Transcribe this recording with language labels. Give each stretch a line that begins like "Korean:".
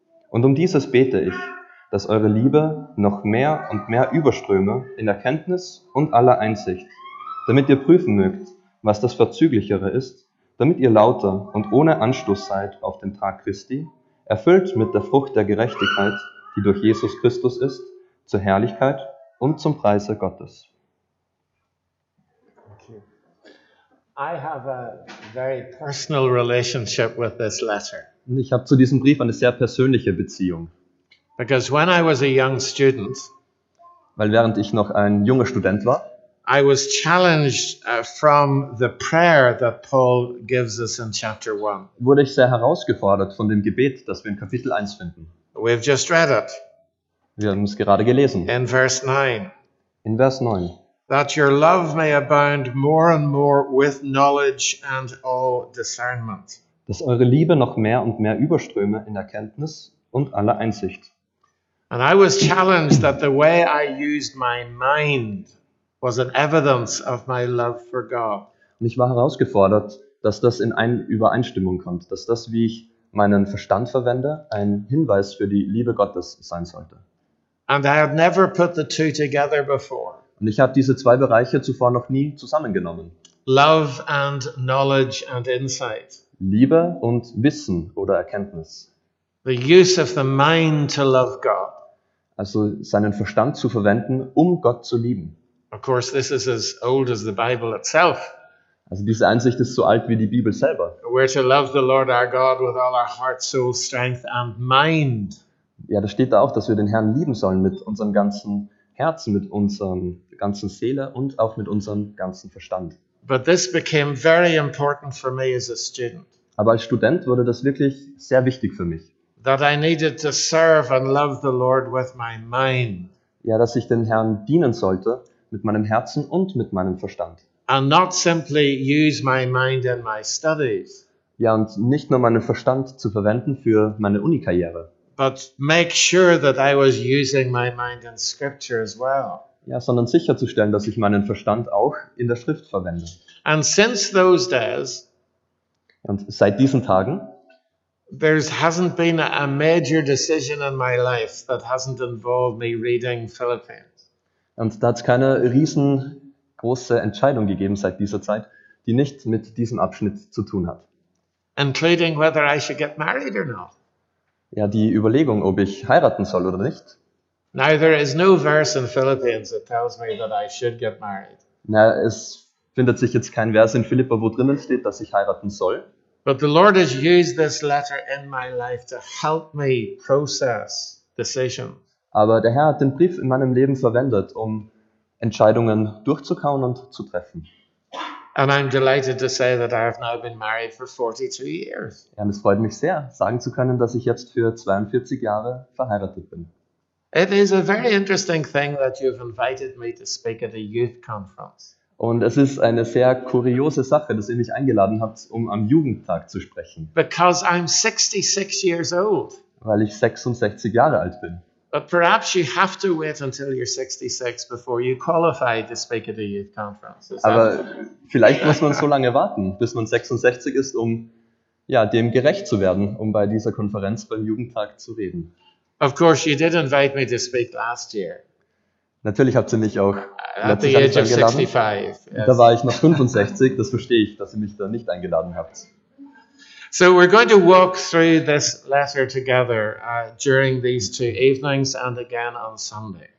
German: Und um dieses bete ich, dass eure Liebe noch mehr und mehr überströme in Erkenntnis und aller Einsicht, damit ihr prüfen mögt, was das Vorzüglichere ist, damit ihr lauter und ohne Anstoß seid auf den Tag Christi, erfüllt mit der Frucht der Gerechtigkeit, die durch Jesus Christus ist, zur Herrlichkeit und zum Preise Gottes.
English: I have a very personal relationship with this letter.
German: Ich habe zu diesem Brief eine sehr persönliche Beziehung.
English: Because when I was a young student,
German: weil während ich noch ein junger Student war,
English: I was challenged from the prayer that Paul gives us in chapter 1.
German: Wurde ich sehr herausgefordert von dem Gebet, das wir in Kapitel 1 finden.
English: We've just read it.
German: Wir haben es gerade gelesen.
English: In verse 9.
German: In Vers 9.
English: That your love may abound more and more with knowledge and all discernment.
German: Dass eure Liebe noch mehr und mehr überströme in Erkenntnis und aller Einsicht.
English: And I was challenged that the way I used my mind was an evidence of my love for God.
German: Und ich war herausgefordert, dass das in eine Übereinstimmung kommt, dass das, wie ich meinen Verstand verwende, ein Hinweis für die Liebe Gottes sein sollte.
English: And I had never put the two together before.
German: Und ich habe diese zwei Bereiche zuvor noch nie zusammengenommen.
English: Love and knowledge and insight.
German: Liebe und Wissen oder Erkenntnis.
English: The use of the mind to love God.
German: Also seinen Verstand zu verwenden, um Gott zu lieben.
English: Of course, this is as old as the Bible itself.
German: Also diese Einsicht ist so alt wie die Bibel selber.
English: We're to love the Lord our God with all our heart, soul, strength and mind.
German: Ja, da steht da auch, dass wir den Herrn lieben sollen mit unserem ganzen Herzen, mit unserem ganzen Seele und auch mit unserem ganzen Verstand.
English: But this became very important for me as a student.
German: Aber als Student wurde das wirklich sehr wichtig für mich.
English: That I needed to serve and love the Lord with my mind.
German: Ja, dass ich dem Herrn dienen sollte mit meinem Herzen und mit meinem Verstand.
English: And not simply use my mind in my studies.
German: Ja, und nicht nur meinen Verstand zu verwenden für meine Uni-Karriere.
English: But make sure that I was using my mind in scripture as well.
German: Ja, sondern sicherzustellen, dass ich meinen Verstand auch in der Schrift verwende.
English: And since those days,
German: und seit diesen Tagen,
English: there hasn't been a major decision in my life that hasn't involved me reading Philippians.
German: Und da hat es keine riesengroße Entscheidung gegeben seit dieser Zeit, die nicht mit diesem Abschnitt zu tun hat.
English: Including whether I should get married or not.
German: Ja, die Überlegung, ob ich heiraten soll oder nicht.
English: Now there is no verse in Philippians that tells me that I should get married.
German: Na, es findet sich jetzt kein Vers in Philippa, wo drinnen steht, dass ich heiraten soll.
English: But the Lord has used this letter in my life to help me process decisions.
German: Aber der Herr hat den Brief in meinem Leben verwendet, um Entscheidungen durchzukauen und zu treffen.
English: And I'm delighted to say that I have now been married for 42 years.
German: Ja, und es freut mich sehr, sagen zu können, dass ich jetzt für 42 Jahre verheiratet bin.
English: It is a very interesting thing that you've invited me to speak at a youth conference.
German: Und es ist eine sehr kuriose Sache, dass ihr mich eingeladen habt, um am Jugendtag zu sprechen.
English: Because I'm 66 years old.
German: Weil ich 66 Jahre alt bin.
English: But perhaps you have to wait until you're 66 before you qualify to speak at a youth conference.
German: Aber vielleicht muss man so lange warten, bis man 66 ist, um ja, dem gerecht zu werden, um bei dieser Konferenz beim Jugendtag zu reden.
English: Of course, you did invite me to speak last year.
German: Natürlich hat sie mich auch letztes Jahr nicht eingeladen.
English: Yes.
German: Da war ich noch 65, das verstehe ich, dass sie mich da nicht eingeladen hat.
English: So we're going to walk through this letter together during these two evenings and again on Sunday.